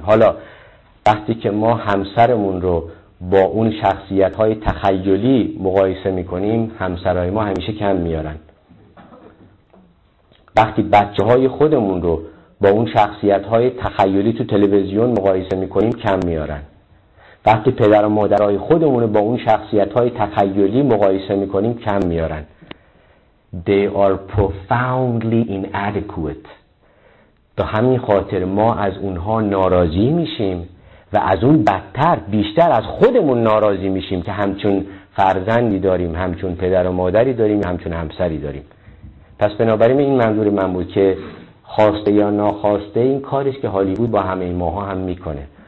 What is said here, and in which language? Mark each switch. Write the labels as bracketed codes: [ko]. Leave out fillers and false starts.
[fa] حالا وقتی که ما همسرمون رو با اون شخصیت‌های تخیلی مقایسه می‌کنیم، همسرای ما همیشه کم میارن. وقتی بچه‌های خودمون رو با اون شخصیت‌های تخیلی تو تلویزیون مقایسه می‌کنیم، کم میارن. وقتی پدر و مادرای خودمون رو با اون شخصیت‌های تخیلی مقایسه می‌کنیم، کم میارن. [en] They are profoundly inadequate. [fa] به همین خاطر ما از اونها ناراضی میشیم و از اون بدتر بیشتر از خودمون ناراضی میشیم که همچون فرزندی داریم، همچون پدر و مادری داریم، همچون همسری داریم. پس بنابراین این منظور من بود که خواسته یا ناخواسته این کاریه که هالیوود با همه این ماها هم میکنه.